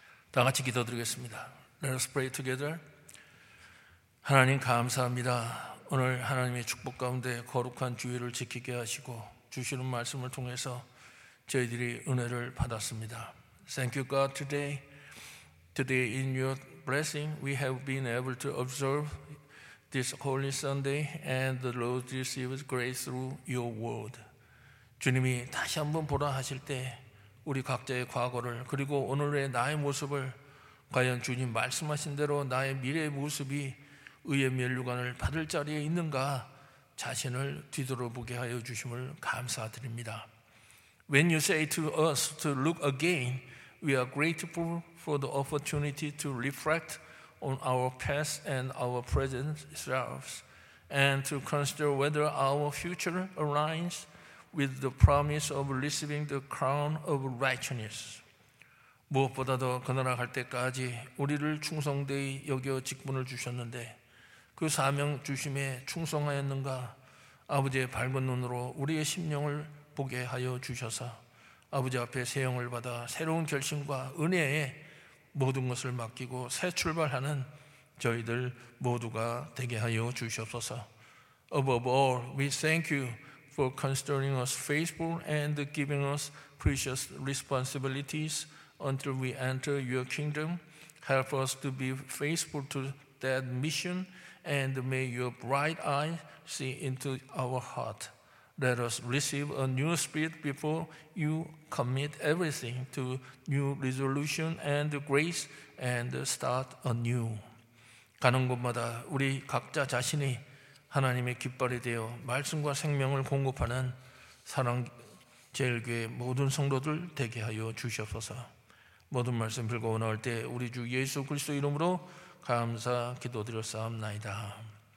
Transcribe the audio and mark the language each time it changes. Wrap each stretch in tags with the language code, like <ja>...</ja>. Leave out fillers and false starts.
<ko>다 같이 기도드리겠습니다.</ko> <en>Let us pray together.</en> <ko>하나님 감사합니다. 오늘 하나님의 축복 가운데 거룩한 주일을 지키게 하시고 주시는 말씀을 통해서 저희들이 은혜를 받았습니다.</ko> <en>Thank you God today. Today in your blessing, we have been able to observe this Holy Sunday and the Lord receives grace through your word.</en> <ko>주님이 다시 한번 보라 하실 때 우리 각자의 과거를 그리고 오늘의 나의 모습을 과연 주님 말씀하신 대로 나의 미래의 모습이 의의 면류관을 받을 자리에 있는가 자신을 뒤돌아보게 하여 주심을 감사드립니다.</ko> <en>When you say to us to look again, we are grateful for the opportunity to reflect on our past and our present selves and to consider whether our future aligns with the promise of receiving the crown of righteousness.</en> <ko>무엇보다도 그 나라 갈 때까지 우리를 충성되이 여겨 직분을 주셨는데 그 사명 주심에 충성하였는가 아버지의 밝은 눈으로 우리의 심령을 보게 하여 주셔서 아버지 앞에 새 영을 받아 새로운 결심과 은혜에 모든 것을 맡기고 새 출발하는 저희들 모두가 되게 하여 주시옵소서.</ko> <en>Above all, we thank you for considering us faithful and giving us precious responsibilities until we enter your kingdom. Help us to be faithful to that mission and may your bright eye see into our heart. Let us receive a new spirit before you commit everything to new resolution and grace and start anew.</en> <ko>가는 곳마다 우리 각자 자신이 하나님의 깃발이 되어 말씀과 생명을 공급하는 사랑제일교회 모든 성도들 되게 하여 주시옵소서. 모든 말씀 불거운 나올 때 우리 주 예수 그리스도 이름으로 감사 기도드렸사옵나이다.</ko>